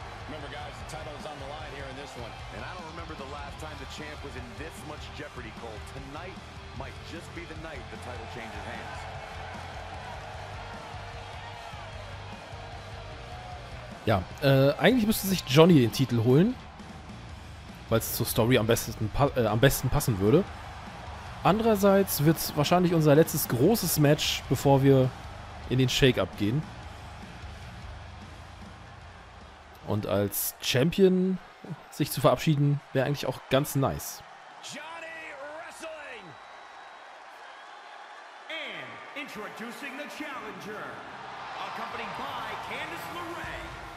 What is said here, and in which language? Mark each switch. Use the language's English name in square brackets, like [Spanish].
[English] Remember, guys, the title is on the line here in this one. And I don't remember the last time the champ was in this much jeopardy, Cole. Tonight might just be the night the title changes hands. [German] Ja, eigentlich müsste sich Johnny den Titel holen, weil es zur Story am besten passen würde. Andererseits wird es wahrscheinlich unser letztes großes Match, bevor wir in den Shake-Up gehen. Und als Champion sich zu verabschieden, wäre eigentlich auch ganz nice. [English] Johnny Wrestling! And introducing the challenger, accompanied by Candice LeRae.